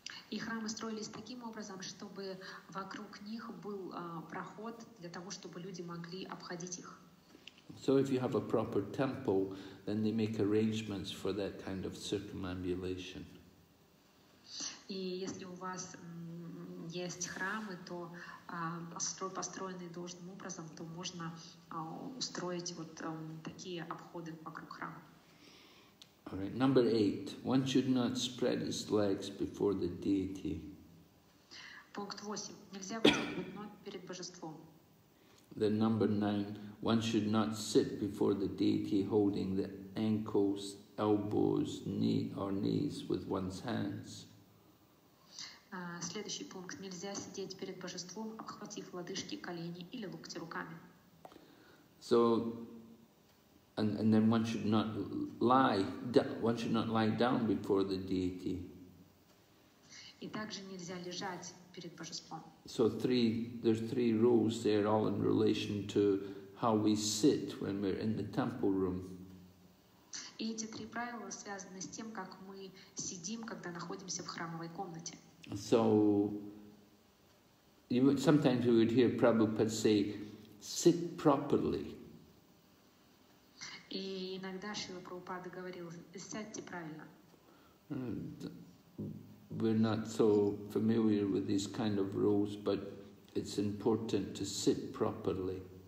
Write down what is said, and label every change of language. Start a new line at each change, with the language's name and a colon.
Russian: И храмы строились таким образом, чтобы вокруг них был проход для того, чтобы люди могли обходить их.
English: So if you have a proper temple, then they make arrangements for that kind of circumambulation.
Russian: И если у вас есть храмы, то построенные должным образом, то можно устроить вот такие обходы вокруг храма.
English: All right. Number eight. One should not spread its legs before the deity.
Russian: Пункт 8. Нельзя вытягивать ноги перед божеством.
English: Then number nine. One should not sit before the deity holding the ankles, elbows, knee or knees with one's hands.
Russian: Следующий пункт. Нельзя сидеть перед божеством, обхватив лодыжки, колени или локти руками.
English: So. And then one should not lie. One should not lie down before the deity.
Russian: И также нельзя лежать перед божеством.
English: So there's three rules. They are all in relation to how we sit when we're in the temple room.
Russian: И эти три правила связаны с тем, как мы сидим, когда находимся в храмовой комнате.
English: So sometimes we would hear Prabhupada say, "Sit properly."
Russian: И иногда Шрила Прабхупада говорил, сядьте правильно.
English: We're not so familiar with these kind of rules, but it's important to sit properly.